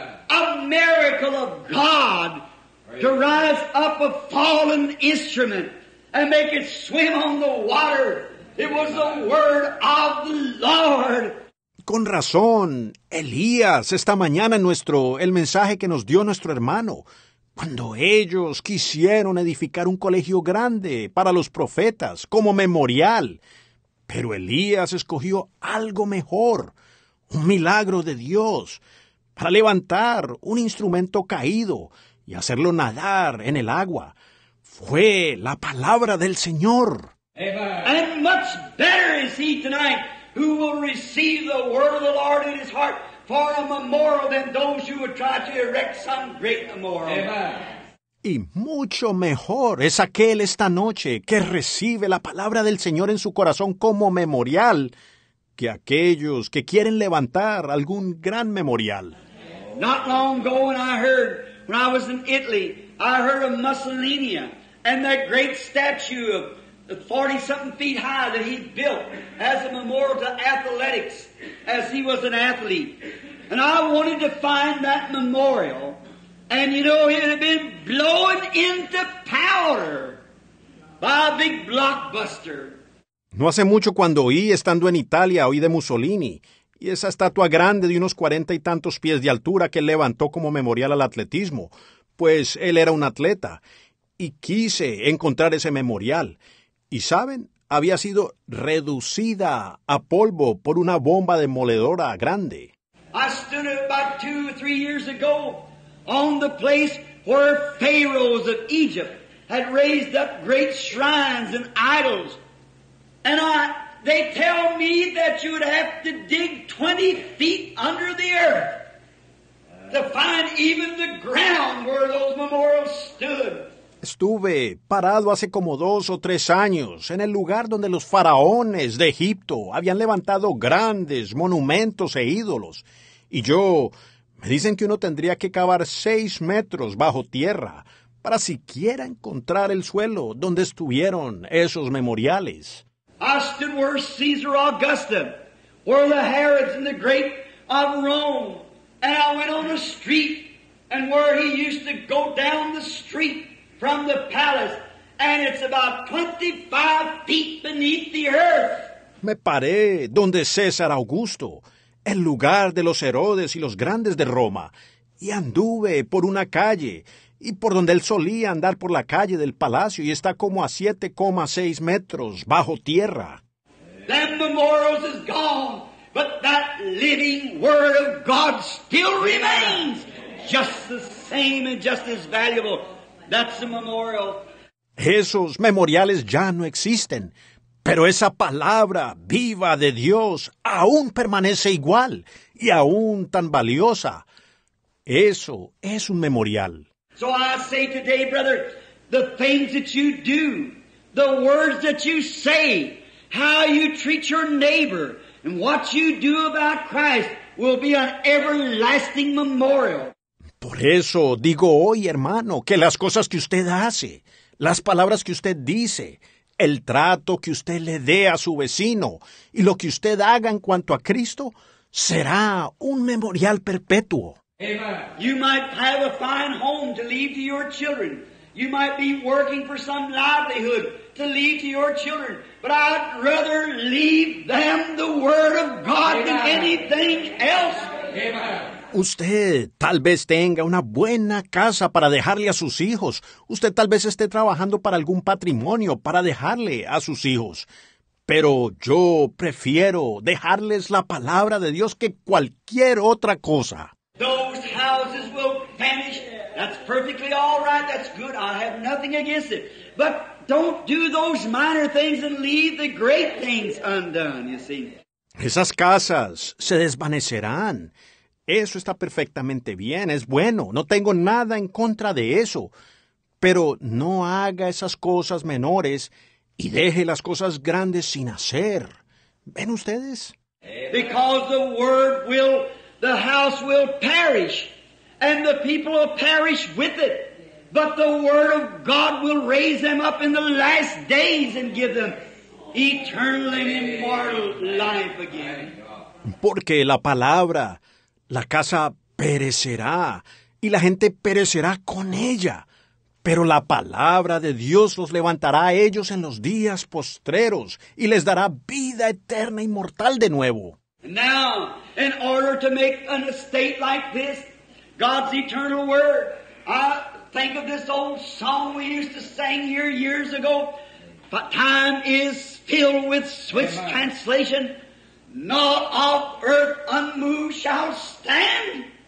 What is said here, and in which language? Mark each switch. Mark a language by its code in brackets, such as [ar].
[en] A miracle of God to rise up a fallen instrument and make it swim on the water. It was the word of the Lord. [es] Con razón, Elías, esta mañana nuestro, el mensaje que nos dio nuestro hermano, cuando ellos quisieron edificar un colegio grande para los profetas como memorial. Pero Elías escogió algo mejor, un milagro de Dios, para levantar un instrumento caído y hacerlo nadar en el agua. Fue la palabra del Señor. [en] And much better is he tonight who will receive the word of the Lord in his heart for a memorial than those who would try to erect some great memorial. Amen. [es] Y mucho mejor es aquel esta noche que recibe la palabra del Señor en su corazón como memorial que aquellos que quieren levantar algún gran memorial. [en] Not long ago when I heard, when I was in Italy, I heard of Mussolini and that great statue of 40-something feet high that he built as a memorial to athletics as he was an athlete. And I wanted to find that memorial. And you know, it had been blown into powder by a big blockbuster. [es] No hace mucho cuando oí, estando en Italia, oí de Mussolini y esa estatua grande de unos 40 y tantos pies de altura que él levantó como memorial al atletismo, pues él era un atleta, y quise encontrar ese memorial. Y saben, había sido reducida a polvo por una bomba demoledora grande. [en] I stood it about 2 or 3 years ago. On the place where pharaohs of Egypt had raised up great shrines and idols. And they tell me that you would have to dig 20 feet under the earth to find even the ground where those memorials stood. [es] Estuve parado hace como 2 o 3 años en el lugar donde los faraones de Egipto habían levantado grandes monumentos e ídolos. Y yo... Me dicen que uno tendría que cavar 6 metros bajo tierra para siquiera encontrar el suelo donde estuvieron esos memoriales. [en] I stood where Caesar Augusta, where the Herods and the great of Rome, and I went on the street, and where he used to go down the street from the palace, and it's about 25 feet beneath the earth. [es] Me paré donde César Augusto, el lugar de los Herodes y los grandes de Roma, y anduve por una calle, y por donde él solía andar por la calle del palacio, y está como a 7,6 metros bajo tierra. [en] That memorial is gone, but that living word of God still remains, just the same and just as valuable. That's the memorial. [es] Esos memoriales ya no existen. Pero esa palabra viva de Dios aún permanece igual y aún tan valiosa. Eso es un memorial. [en] So I say today, brother, the things that you do, the words that you say, how you treat your neighbor, and what you do about Christ will be an everlasting memorial. [es] Por eso digo hoy, hermano, que las cosas que usted hace, las palabras que usted dice, el trato que usted le dé a su vecino y lo que usted haga en cuanto a Cristo será un memorial perpetuo. Amen. [en] You might have a fine home to leave to your children. You might be working for some livelihood to leave to your children, but I'd rather leave them the Word of God than anything else. Amen. [es] Usted tal vez tenga una buena casa para dejarle a sus hijos. Usted tal vez esté trabajando para algún patrimonio para dejarle a sus hijos. Pero yo prefiero dejarles la palabra de Dios que cualquier otra cosa. [en] Those houses will vanish. That's perfectly all right. That's good. I have nothing against it. But don't do those minor things and leave the great things undone, you see. [es] Esas casas se desvanecerán. Eso está perfectamente bien, es bueno, no tengo nada en contra de eso. Pero no haga esas cosas menores y deje las cosas grandes sin hacer. ¿Ven ustedes? [en] Because the word will, the house will perish, and the people will perish with it. But the word of God will raise them up in the last days and give them eternal and immortal life again. [es] Porque la palabra... La casa perecerá, y la gente perecerá con ella. Pero la palabra de Dios los levantará a ellos en los días postreros, y les dará vida eterna y mortal de nuevo. [en] Now, in order to make an estate like this, God's eternal word, I think of this old song we used to sing here years ago, but time is filled with Swiss translation. Not of earth unmoved shall stand.